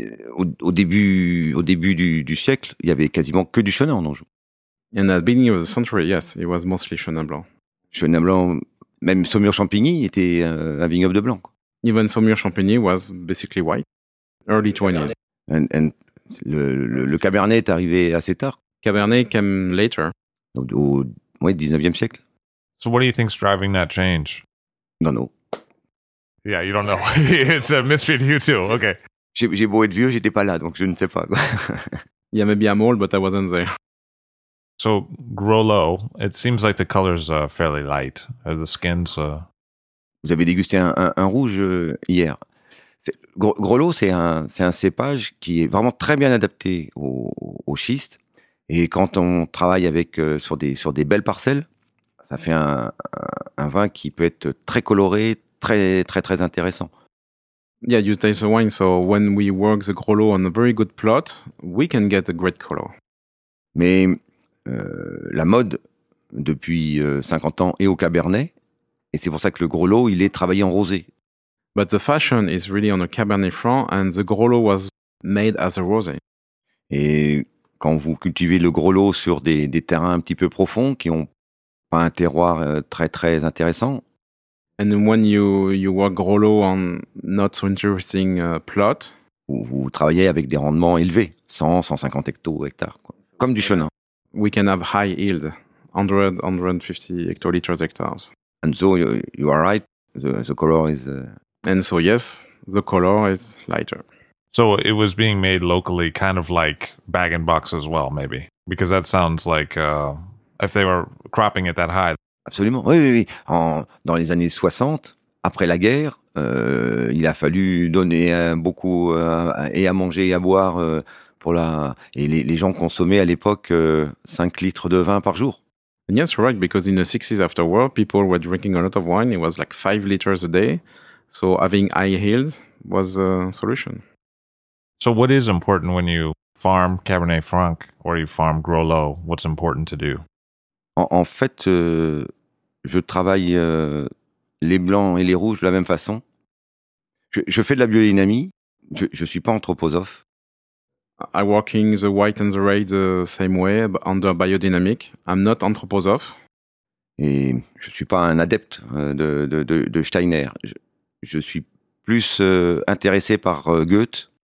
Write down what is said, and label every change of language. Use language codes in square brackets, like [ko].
[fr] Au début du siècle, il n'y avait quasiment que du Chenin en Anjou. [en] And at the beginning of the century, yes, it was mostly Chenin Blanc. Chenin Blanc... [fr] Même Saumur-Champigny était un vignoble de blanc. [en] Even Saumur-Champigny was basically white. Early 20s. [fr] And le Cabernet est arrivé assez tard. [en] Cabernet came later. [fr] Au 19e siècle. [en] So what do you think is driving that change? Don't know. Yeah, you don't know. It's a mystery to you too. Okay. [fr] J'ai beau être vieux, j'étais pas là, donc je ne sais pas. [en] Yeah, maybe I'm old, but I wasn't there. So, Grelot, it seems like the colors are fairly light. Are the skins... [fr] Vous avez dégusté un rouge hier. Grelot, c'est un cépage qui est vraiment très bien adapté au schiste. Et quand on travaille avec, sur des belles parcelles, ça fait un vin qui peut être très coloré, très, très, très intéressant. [en] Yeah, you taste the wine, so when we work the Grelot on a very good plot, we can get a great color. [fr] Mais la mode, depuis 50 ans, est au Cabernet. Et c'est pour ça que le Grelot, il est travaillé en rosé. [en] But the fashion is really on a Cabernet Franc, and the Grelot was made as a rosé. [fr] Et quand vous cultivez le Grelot sur des terrains un petit peu profonds, qui n'ont pas un terroir très, très intéressant. [en] And when you work Grelot on not so interesting plot. [fr] Vous travaillez avec des rendements élevés, 100, 150 hectolitres, quoi. Comme du Chenin. [en] We can have high yield, 100, 150 hectolitres, hectares. And so you are right, the color is... And so, yes, the color is lighter. So it was being made locally, kind of like bag and box as well, maybe. Because that sounds like if they were cropping it that high. [fr] Absolument. Oui, oui, oui. Dans les années 60, après la guerre, il a fallu donner beaucoup et à manger et à boire. Et les gens consommaient à l'époque 5 litres de vin par jour. [en] And yes, right, because in the 60s after war, people were drinking a lot of wine. It was like 5 liters a day. So having high yields was a solution. So what is important when you farm Cabernet Franc or you farm Grelot? What's important to do? [fr] En fait, je travaille les blancs et les rouges de la même façon. Je fais de la biodynamie. Je suis pas anthroposophe. [en] I'm working the white and the red the same way, but under biodynamic. I'm not anthroposophe. [fr] Et je suis pas un adepte de Steiner. Je suis plus intéressé par Goethe.